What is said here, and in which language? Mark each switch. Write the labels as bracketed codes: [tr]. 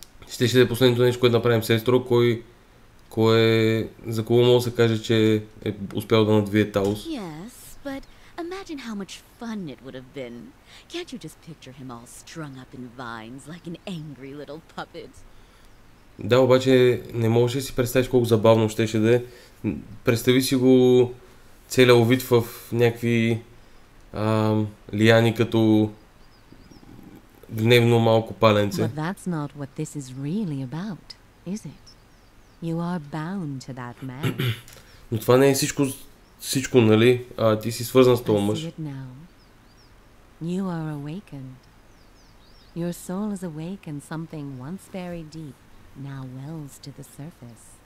[bg] Ще е последното нещо, което направим, сестро, кой е, за кого мога да се каже, че е успял да надвие Талос. [en] Imagine how much fun it would have been. Can't you just picture him all strung up in vines like an angry little puppet? [bg] Да, обаче не можеш да си представиш колко забавно щеше да е. Представи си го целия вид в някакви лияни като дневно малко паленце. [en] But that's not what this is really about, is it? You are bound to that man. [bg] Но това не е всичко. Всичко, нали? Ти си свързан с този мъж. [en] You are awakened. Your soul is awakened, something once buried deep, now wells to the surface.